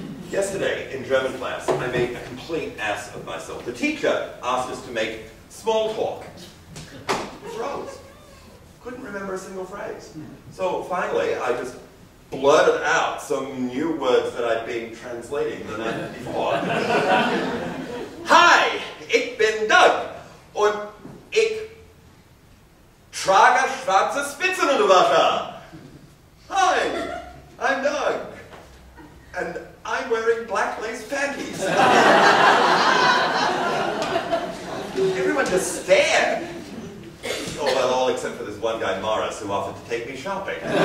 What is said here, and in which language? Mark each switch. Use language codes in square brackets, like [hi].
[en] Yesterday, in German class, I made a complete ass of myself. The teacher asked us to make small talk. I froze. Couldn't remember a single phrase. So finally, I just blurted out some new words that I'd been translating the night before. [de] Hi, ich bin Doug, und ich trage schwarze Spitzenunterwäsche. [en] Hi, I'm Doug, and I'm wearing black lace panties. Everyone just stared. Oh, well, all except for this one guy, Morris, who offered to take me shopping.